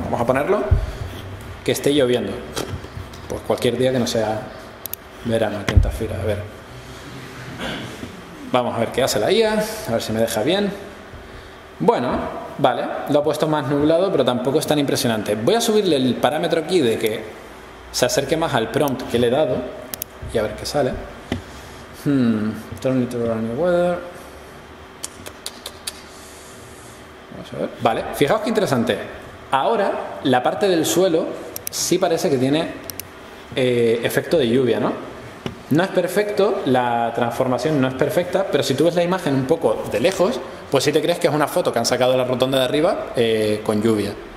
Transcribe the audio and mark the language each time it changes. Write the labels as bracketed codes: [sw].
[es] Vamos a ponerlo que esté lloviendo. Pues cualquier día que no sea verano, quinta fila, a ver. Vamos a ver qué hace la IA, a ver si me deja bien. Bueno, vale, lo ha puesto más nublado, pero tampoco es tan impresionante. Voy a subirle el parámetro aquí de que se acerque más al prompt que le he dado y a ver qué sale. [en] Turn it to rainy weather. [es] Vamos a ver. Vale, fijaos qué interesante. Ahora la parte del suelo sí parece que tiene efecto de lluvia, ¿no? No es perfecto, la transformación no es perfecta, pero si tú ves la imagen un poco de lejos, pues sí te crees que es una foto que han sacado de la rotonda de arriba con lluvia.